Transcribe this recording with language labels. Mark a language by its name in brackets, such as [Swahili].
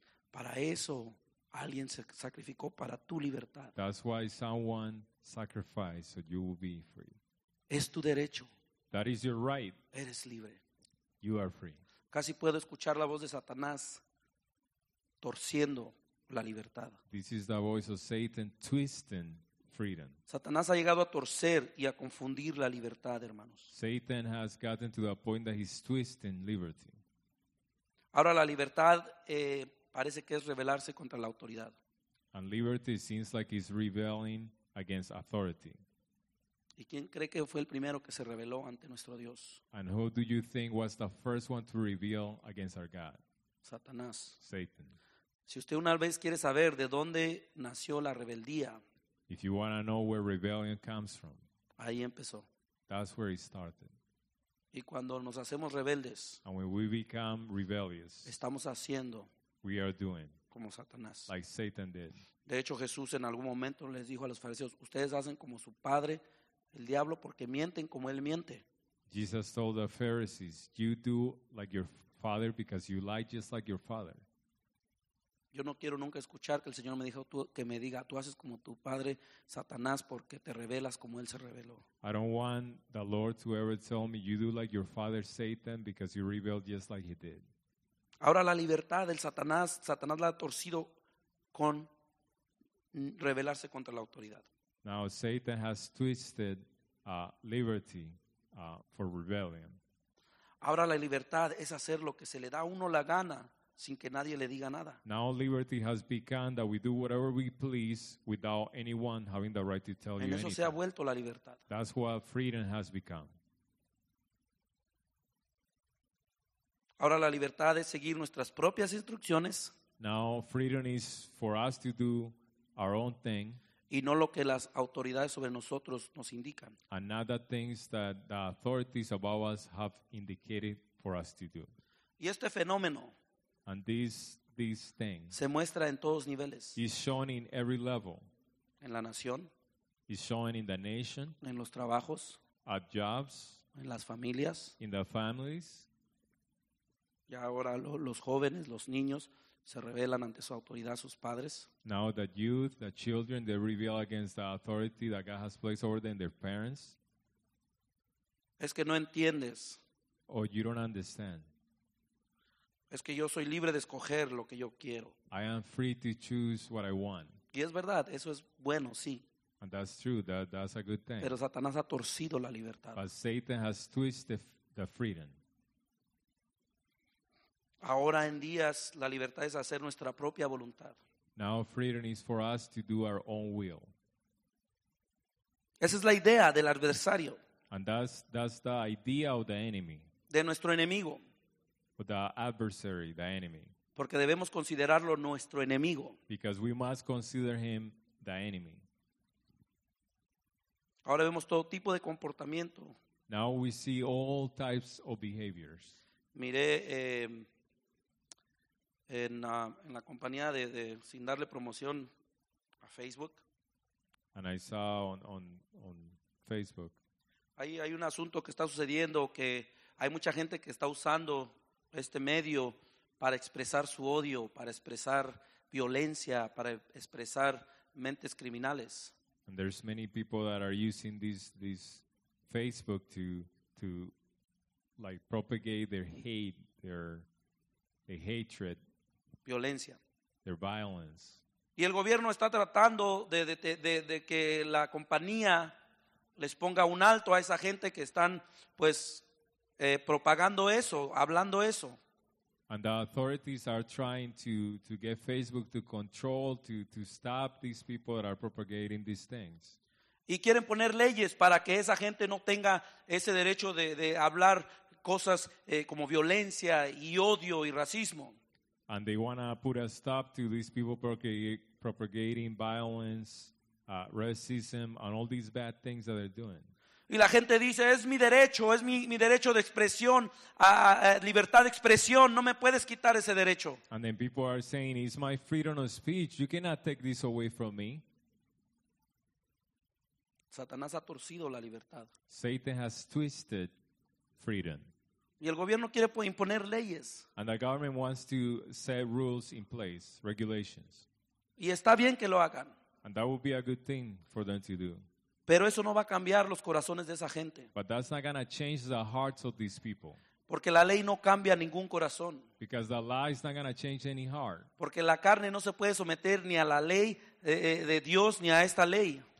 [Spanish] Para eso alguien se sacrificó para tu libertad. [English] That's why someone sacrificed so you will be free. [Spanish] Es tu derecho. [English] That is your right. [Spanish] Eres libre. [English] You are free. [Spanish] Casi puedo escuchar la voz de Satanás torciendo la libertad. [English] This is the voice of Satan twisting freedom. [Spanish] Satanás ha llegado a torcer y a confundir la libertad, hermanos. [English] Satan has gotten to the point that he's twisting liberty. [Spanish] Ahora la libertad parece que es rebelarse contra la autoridad. [English] And liberty seems like it's rebelling against authority. [Spanish] ¿Y quién cree que fue el primero que se rebeló ante nuestro Dios? [English] And who do you think was the first one to rebel against our God? [Spanish] Satanás. [English] Satan. [Spanish] Si usted una vez quiere saber de dónde nació la rebeldía, [English] if you want to know where rebellion comes from, [Spanish] ahí empezó. [English] That's where it started. [Spanish] Y cuando nos hacemos rebeldes, [English] and when we become rebellious, [Spanish] estamos haciendo, [English] we are doing, [Spanish] como Satanás. [English] Like Satan did. [Spanish] De hecho, Jesús en algún momento les dijo a los fariseos, ustedes hacen como su padre, el diablo, porque mienten como él miente. [English] Jesus told the Pharisees, you do like your father because you lie just like your father. [Spanish] Yo no quiero nunca escuchar que el Señor me dijo que me diga, tú haces como tu padre, Satanás, porque te revelas como él se reveló. [English] I don't want the Lord to ever tell me, you do like your father, Satan, because you rebelled just like he did. [Spanish] Ahora la libertad del Satanás, Satanás la ha torcido con rebelarse contra la autoridad. [English] Now Satan has twisted liberty for rebellion. [Spanish] Ahora la libertad es hacer lo que se le da a uno la gana, sin que nadie le diga nada. [English] Now liberty has become that we do whatever we please without anyone having the right to tell en you anything. [Spanish] En eso se ha vuelto la libertad. [English] That's what freedom has become. [Spanish] Ahora la libertad es seguir nuestras propias instrucciones. [English] Now freedom is for us to do our own thing. [Spanish] Y no lo que las autoridades sobre nosotros nos indican. [English] And not the things that the authorities above us have indicated for us to do. [Spanish] Y este fenómeno. [English] And these things. [Spanish] Se muestra en todos niveles. [English] Is shown in every level. [Spanish] En la nación. [English] Is shown in the nation. [Spanish] En los trabajos. [English] At jobs. [Spanish] En las familias. [English] In the families. [Spanish] Y ahora los jóvenes, los niños, se rebelan ante su autoridad, sus padres. [English] Now the youth, the children, they rebel against the authority that God has placed over them, their parents. [Spanish] Es que no entiendes. [English] Or you don't understand. [Spanish] Es que yo soy libre de escoger lo que yo quiero. [English] I am free to choose what I want. [Spanish] Y es verdad, eso es bueno, sí. [English] And that's true, that's a good thing. [Spanish] Pero Satanás ha torcido la libertad. [English] But Satan has twisted the freedom. [Spanish] Ahora en días, la libertad es hacer nuestra propia voluntad. [English] Now freedom is for us to do our own will. [Spanish] Esa es la idea del adversario. [English] And that's the idea of the enemy. [Spanish] De nuestro enemigo. [English] The adversary, the enemy. [Spanish] Porque debemos considerarlo nuestro enemigo. [English] Because we must consider him the enemy. [Spanish] Ahora vemos todo tipo de comportamiento. [English] Now we see all types of behaviors. [Spanish] Miré en la compañía de sin darle promoción a Facebook. [English] And I saw on Facebook. [Spanish] Hay un asunto que está sucediendo que hay mucha gente que está usando este medio para expresar su odio, para expresar violencia, para expresar mentes criminales. [English] And there's many people that are using this Facebook to like propagate their hate, their hatred, [Spanish] violencia, [English] their violence. [Spanish] Y el gobierno está tratando de que la compañía les ponga un alto a esa gente que están, pues, propagando eso, hablando eso. [English] And the authorities are trying to get Facebook to control, to stop these people that are propagating these things. [Spanish] Y quieren poner leyes para que esa gente no tenga ese derecho de hablar cosas como violencia y odio y racismo. [English] And they want to put a stop to these people propagating violence, racism, and all these bad things that they're doing. [Spanish] Y la gente dice, es mi derecho, es mi derecho de expresión, libertad de expresión, no me puedes quitar ese derecho. [English] And then people are saying, it's my freedom of speech, you cannot take this away from me. [Spanish] Satanás ha torcido la libertad. [English] Satan has twisted freedom. [Spanish] Y el gobierno quiere imponer leyes. [English] And the government wants to set rules in place, regulations. [Spanish] Y está bien que lo hagan. [English] And that would be a good thing for them to do. [Spanish] Pero eso no va a cambiar los corazones de esa gente. [English] But that's not going to change the hearts of these people. [Spanish] Porque la ley no cambia ningún corazón. [English] Because the law is not going to change any heart. [Spanish] Porque la carne no se puede someter ni a la ley de Dios ni a esta ley.